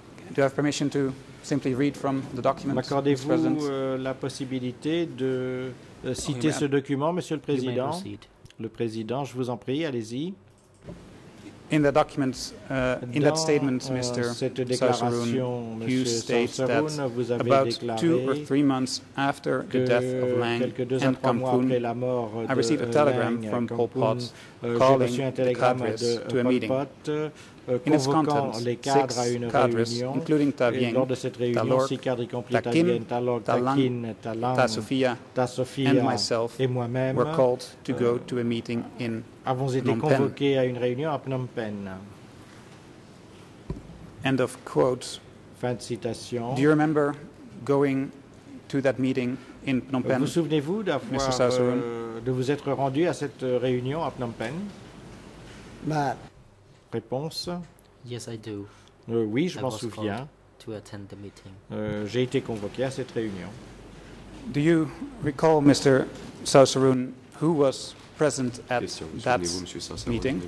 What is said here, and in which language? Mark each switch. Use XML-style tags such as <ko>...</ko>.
<en>Do you have permission to simply read from the document,</en> <fr>m'accordez-vous</fr> <en>Mr. President?</en> <fr>La possibilité de citer ce document, Monsieur le Président? Le Président, je vous en prie, allez-y.</fr> <en>In the documents, in that statement, Mr. Sasserun, you state that about 2 or 3 months after the death of Lang and Kham Phuong, I received a telegram from Pol Pot calling the cadres to a meeting. In its content, six cadres, including Ta Vieng, Ta Lorc, Ta Kim, Ta Lang, Ta Sophia, and myself, were called to go to a meeting in Phnom Penh. End of quote.</en> <fr>Fin de citation.</fr> <en>Do you remember going to that meeting in Phnom Penh,</en> <fr>vous souvenez-vous d'avoir, Mr. Sasserun? De vous être rendu à cette réunion à Phnom Penh?</fr> <en>But</en> <fr>réponse.</fr> <en>Yes, I do.</en> <fr>Oui, je m'en souviens.</fr> <en>To attend the meeting.</en> <fr>J'ai été convoqué à cette réunion.</fr> <en>Do you recall, Mr. Sasserun, who was present at that meeting?</en>